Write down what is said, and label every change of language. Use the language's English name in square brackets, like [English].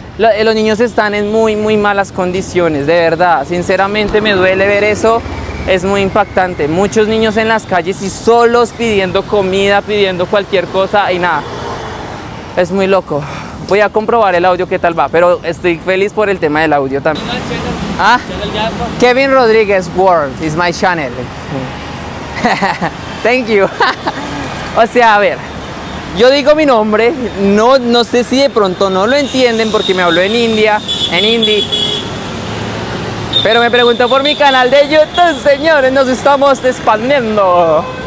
[Spanish] Los niños están en muy, muy malas condiciones, de verdad. Sinceramente me duele ver eso. Es muy impactante, muchos niños en las calles y solos pidiendo comida, pidiendo cualquier cosa y nada. Es muy loco. Voy a comprobar el audio qué tal va, pero estoy feliz por el tema del audio también. ¿Ah? [English] Kevin Rodriguez World is my channel. Thank you. [Spanish] O sea, a ver, yo digo mi nombre, no sé si de pronto no lo entienden porque me habló en India, en hindi. Pero me preguntó por mi canal de YouTube, señores, nos estamos expandiendo.